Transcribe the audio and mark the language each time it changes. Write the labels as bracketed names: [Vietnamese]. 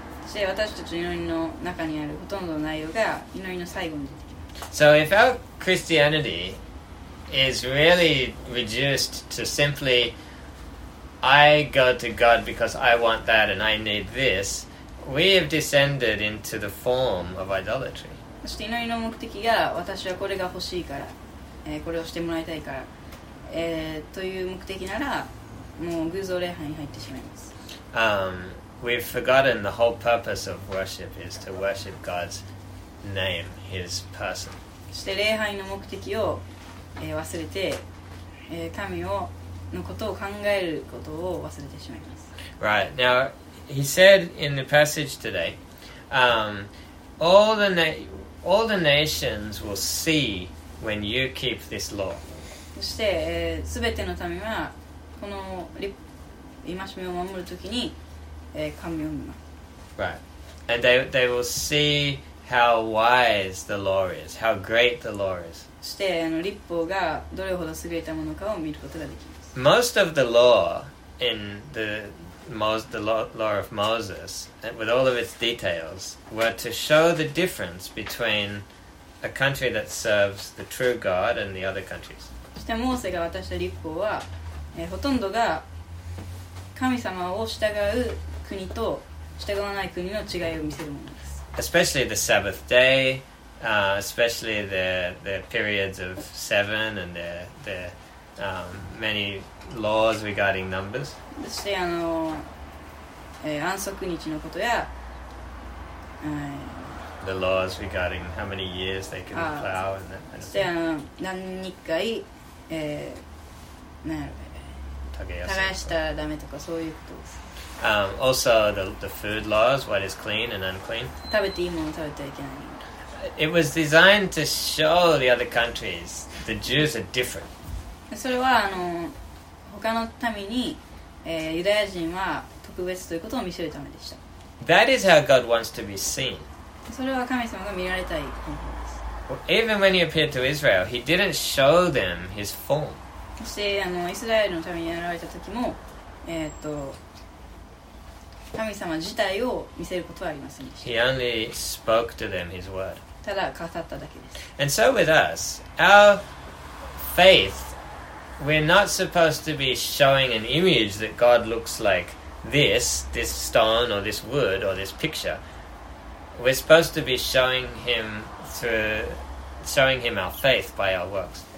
[English] So if our Christianity is really reduced to simply I go to God because I want that and I need this, we have descended into the form of idolatry. [Japanese] そして祈りの目的が私はこれが欲しいから、これをしてもらいたいから、という目的ならもう偶像礼拝に入ってしまいます。 [English] We've forgotten the whole purpose of worship is to worship God's name, His person. [Japanese] そして礼拝の目的を、忘れて、神をのことを考えることを忘れてしまいます。 [English] Right. Now, he said in the passage today, all the nations will see when you keep this law. [Japanese] そして、すべての民はこの戒めを守るときに、神を見ます。 [English] Right. And they will see how wise the law is, how great the law is. [Japanese] そして、立法がどれほど優れたものかを見ることができます。 [English] Most of the law in the law of Moses, with all of its details, were to show the difference between a country that serves the true God and the other countries. [Japanese] そしてモーセが渡した律法は、ほとんどが神様を従う国と従わない国の違いを見せるものです。 [English] Especially the Sabbath day, especially the periods of seven and the many laws regarding numbers. [Japanese] そして安息日のことや、 [English] the laws regarding how many years they can plow and that kind of thing. [Japanese] そして何回、耕したらダメとかそういうことです。 [English] Also the food laws, what is clean and unclean. [Japanese] 食べていいもの食べてはいけない。 [English] It was designed to show the other countries the Jews are different. [Japanese] それは他の民に、ユダヤ人は特別ということを見せるためでした。 [English] That is how God wants to be seen. [Japanese] それは神様が見られたい方法です。 [English] Even when he appeared to Israel, he didn't show them his form. [Japanese] そしてイスラエルのために現れた時も、神様自体を見せることはありませんでした。 [English] He only spoke to them his word. [Japanese] ただ語っただけです。 [English] And so with us, our faithWe're not supposed to be showing an image that God looks like this stone or this wood or this picture. We're supposed to be showing him our faith by our works.